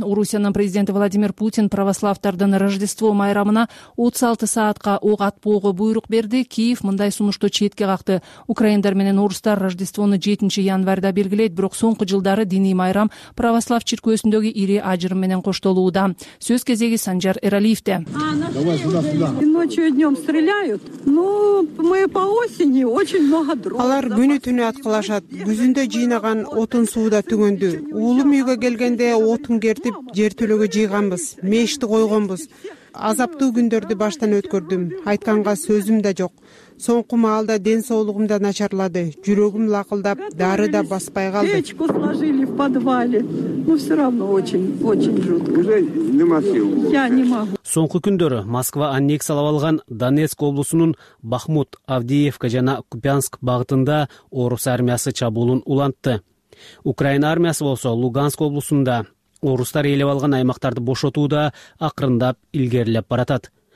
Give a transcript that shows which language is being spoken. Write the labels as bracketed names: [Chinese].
[Kyrgyz] Орусиянын президенти Владимир Путин православтардын Рождество майрамына 36 саатка ок атпоого буйрук берди. Киев мындай сунушту четке какты. Украиндар менен орустар Рождествону 7 январда белгилейт, бирок соңку жылдары диний майрам православ чиркөөсүндөгү ири ажырым менен коштолууда. Сөз кезеги Санжар Эралиевде. [Russian] Ночью и днем стреляют. Ну, мы по осени очень много дров. [Kyrgyz] Алар күнү түнү аткылашат. Күзүндө жыйнаган отун суу да түгөндү. Уулум үйгө келгенде отун кертип, жер төлөгө жыйганбыз. Мешти койгонбуз. Азаптуу күндөрдү баштан өткөрдүм. Айтканга сөзүм да жок. Соңку маалда ден соолугум да начарлады. Жүрөгүм лакылдап, дары да баспай калды. [Russian] Печку сложили в подвале. Но все равно очень жутко. Не могу. Я не могу. [Kyrgyz] Соңку күндөрү Москва аннексалап алган Донецк облусунун Бахмут, Авдеевка жана Купянск багытында орус армиясы чабуулун улантты. Украина армиясы болсо Луганск облусунда орустар ээлеп алган аймактарды бошотууда акырындап илгерилеп баратат.